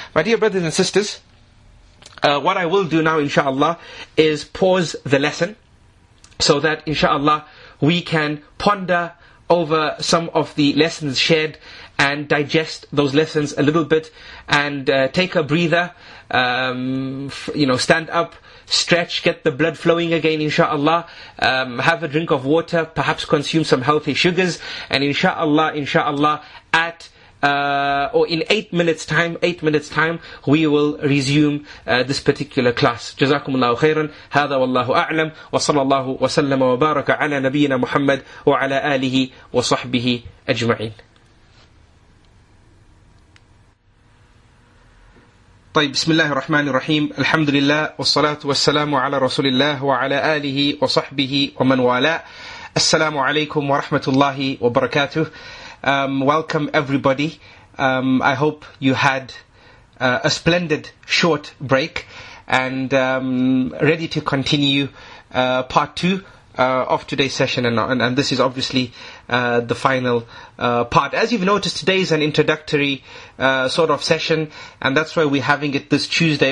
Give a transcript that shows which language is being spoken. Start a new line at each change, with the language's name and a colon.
English: My dear brothers and sisters, what I will do now, inshallah, is pause the lesson so that, inshallah, we can ponder over some of the lessons shared and digest those lessons a little bit and take a breather, stand up, stretch, get the blood flowing again, inshallah. Have a drink of water, perhaps consume some healthy sugars. And inshallah, at or in 8 minutes time we will resume this particular class.
Arabic: جزاكم الله خيرا. هذا والله أعلم. وصلى الله وسلم وبارك على نبينا محمد وعلى آله وصحبه أجمعين. طيب بسم الله الرحمن الرحيم. الحمد لله والصلاة والسلام على رسول الله وعلى آله وصحبه ومن والاه. السلام عليكم ورحمة الله وبركاته.
English: Welcome everybody. I hope you had a splendid short break and ready to continue part two of today's session. And this is obviously the final part. As you've noticed, today is an introductory sort of session, and that's why we're having it this Tuesday.